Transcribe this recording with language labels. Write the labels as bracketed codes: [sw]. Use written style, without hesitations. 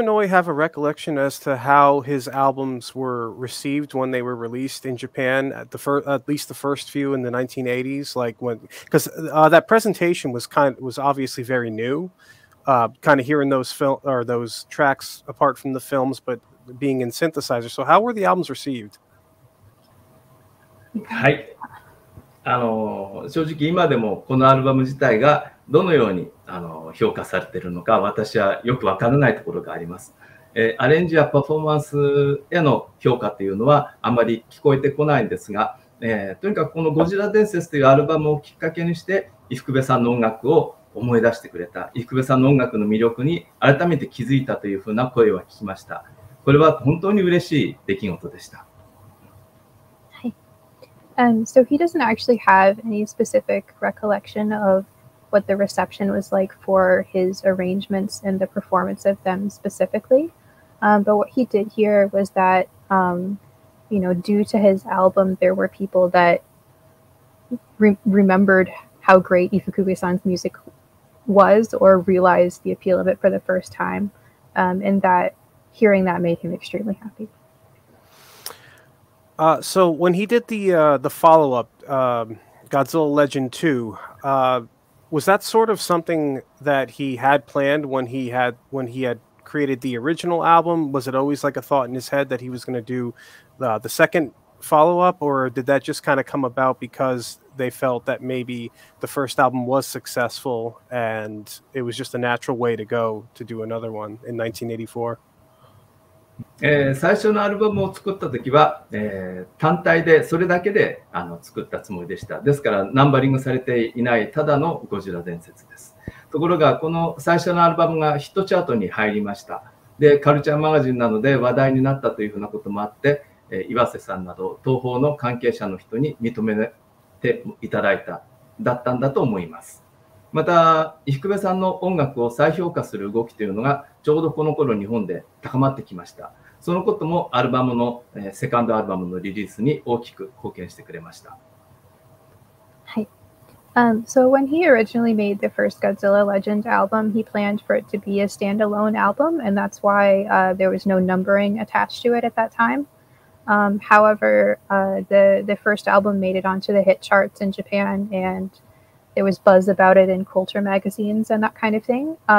[en] Inoue have a recollection as to how his albums were received when they were released in Japan, at least the first few in the 1980s? Like when, because that presentation was obviously very new, kind of hearing those film or those tracks apart from the films, but being in synthesizer. So how were the albums received? [ja] はい。正直今でもこのアルバム自体がどのように評価されているのか私はよくわからないところがあります。アレンジやパフォーマンスへの評価というのはあまり聞こえてこないんですが、とにかくこのゴジラ伝説というアルバムをきっかけにして伊福部さんの音楽を思い出してくれた。伊福部さんの音楽の魅力に改めて気づいたというふうな声は聞きました。これは本当に嬉しい出来事でした。 [en] So he doesn't actually have any specific recollection of what the reception was like for his arrangements and the performance of them specifically. But what he did hear was that, due to his album, there were people that remembered how great Ifukube-san's music was or realized the appeal of it for the first time. And that hearing that made him extremely happy. So when he did the follow-up, Godzilla Legend 2, was that sort of something that he had planned when he had created the original album? Was it always like a thought in his head that he was going to do the second follow-up, or did that just kind of come about because they felt that maybe the first album was successful and it was just a natural way to go to do another one in 1984? [ja] 最初のアルバムを作った時は、単体でそれだけで作ったつもりでした。ですからナンバリングされていないただのゴジラ伝説です。ところがこの最初のアルバムがヒットチャートに入りました。でカルチャーマガジンなので話題になったというふうなこともあって、岩瀬さんなど東方の関係者の人に認めていただいただったんだと思います。また伊福部さんの音楽を再評価する動きというのがちょうどこの頃日本で高まってきました。そのこともアルバムのセカンドアルバムのリリースに大きく貢献してくれました。はい。 [en] So when he originally made the first Godzilla Legend album, he planned for it to be a standalone album, and that's why there was no numbering attached to it at that time. However, the first album made it onto the hit charts in Japan and there was buzz about it in culture magazines and that kind of thing.